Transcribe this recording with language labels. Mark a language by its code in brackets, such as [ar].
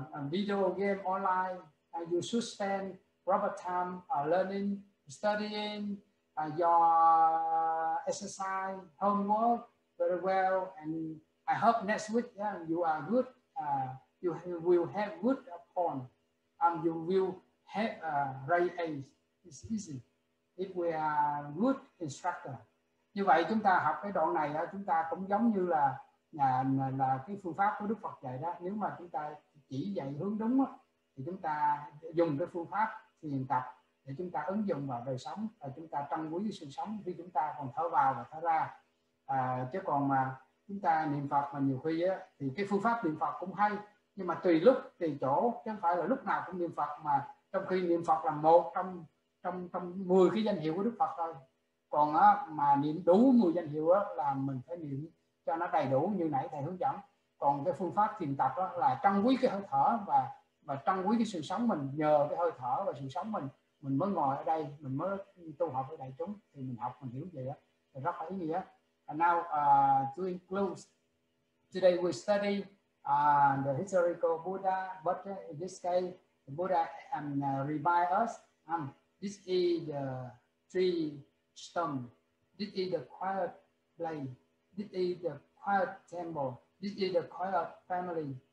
[en] video game online, and you should spend proper time learning, studying your exercise, homework very well. And I hope next week you are good. You will have good upon, and you will have a right age. It's easy if we are good instructor. [vi] Như vậy chúng ta học cái đoạn này chúng ta cũng giống như là cái phương pháp của Đức Phật dạy đó. Nếu mà chúng ta chỉ dạy hướng đúng thì chúng ta dùng cái phương pháp thiền tập để chúng ta ứng dụng vào đời sống và chúng ta trân quý sự sống khi chúng ta còn thở vào và thở ra. Chứ còn mà chúng ta niệm Phật mà nhiều khi thì cái phương pháp niệm Phật cũng hay, nhưng mà tùy lúc tùy chỗ, chứ không phải là lúc nào cũng niệm Phật, mà trong khi niệm Phật là một trong 10 cái danh hiệu của Đức Phật thôi. Còn mà niệm đủ 10 danh hiệu là mình phải niệm cho nó đầy đủ như nãy thầy hướng dẫn. Còn cái phương pháp thiền tập là trân quý cái hơi thở và trân quý cái sự sống mình, nhờ cái hơi thở và sự sống mình mới ngồi ở đây, mình mới tu học với đại chúng, thì mình học mình hiểu gì đó rất là ý nghĩa. [en] And now to include, today we study the historical Buddha, but in this case the Buddha remind us this is the tree stone, this is the quiet place, this is the quiet temple, this is the quiet family.